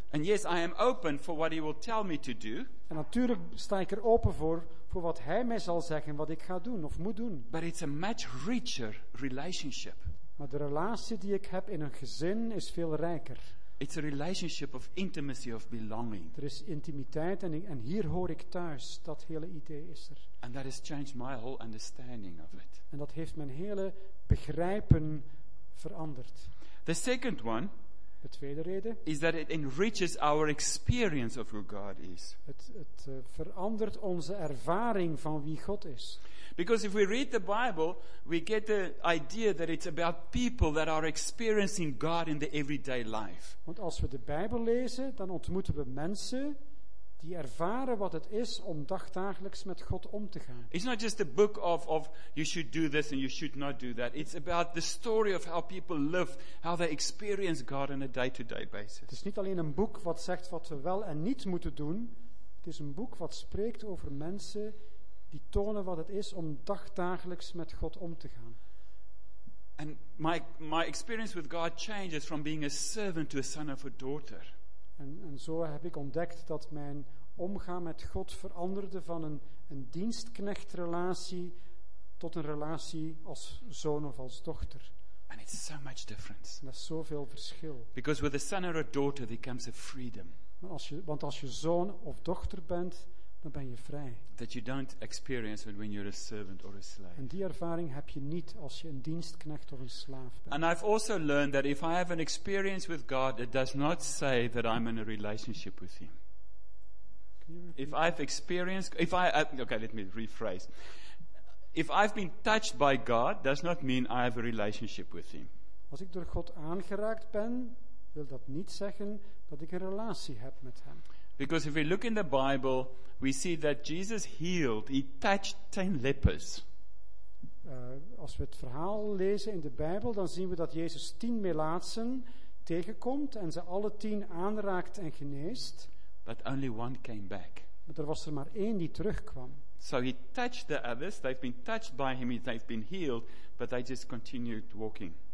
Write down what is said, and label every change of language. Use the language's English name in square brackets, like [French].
[English] And yes, I am open for what he will tell me to do. [Dutch] En natuurlijk sta ik er open voor wat hij mij zal zeggen wat ik ga doen of moet doen. [English] But it's a much richer relationship. [Dutch] Maar de relatie die ik heb in een gezin is veel rijker. [English] It's a relationship of intimacy, of belonging. [Dutch] Er is intimiteit en hier hoor ik thuis. Dat hele idee is er. [English] And that has changed my whole understanding of it. [Dutch] En dat heeft mijn hele begrijpen veranderd. [English] The second one, [Dutch] de tweede reden, [English] is that it enriches our experience of who God is. [Dutch] Het verandert onze ervaring van wie God is. [English] Because if we read the Bible, we get the idea that it's about people that are experiencing God in the everyday life. [Dutch] Want als we de Bijbel lezen, dan ontmoeten we mensen die ervaren wat het is om dagdagelijks met God om te gaan. [English] It's not just a book of you should do this and you should not do that. It's about the story of how people live, how they experience God on a day-to-day basis. [Dutch] Het is niet alleen een boek wat zegt wat we wel en niet moeten doen. Het is een boek wat spreekt over mensen die tonen wat het is om dagdagelijks met God om te gaan. [English] And my experience with God changes from being a servant to a son of a daughter. [Dutch] En zo heb ik ontdekt dat mijn omgaan met God veranderde van een dienstknechtrelatie tot een relatie als zoon of als dochter. [English] And it's so much difference. [Dutch] En dat is zoveel verschil. [English] Because with a son or a daughter there comes a freedom. [Dutch] Want als je zoon of dochter bent, dan ben je vrij. [English] That you don't experience when you're a servant or a slave. [Dutch] En die ervaring heb je niet als je een dienstknecht of een slaaf bent. [English] And I've also learned that if I have an experience with God, it does not say that I'm in a relationship with him. If I've been touched by God, does not mean I have a relationship with him. [Dutch] Als ik door God aangeraakt ben, wil dat niet zeggen dat ik een relatie heb met hem. [English] Because if we look in the Bible, we see that Jesus healed, he touched 10 lepers. [Dutch] Als we het verhaal lezen in de Bijbel, dan zien we dat Jezus 10 melaatsen tegenkomt en ze alle 10 aanraakt en geneest. [English] But only one came back. [Dutch] Maar er was er maar één die terugkwam. [English] So he touched the others, they've been touched by him, they've been healed, but they just continued walking.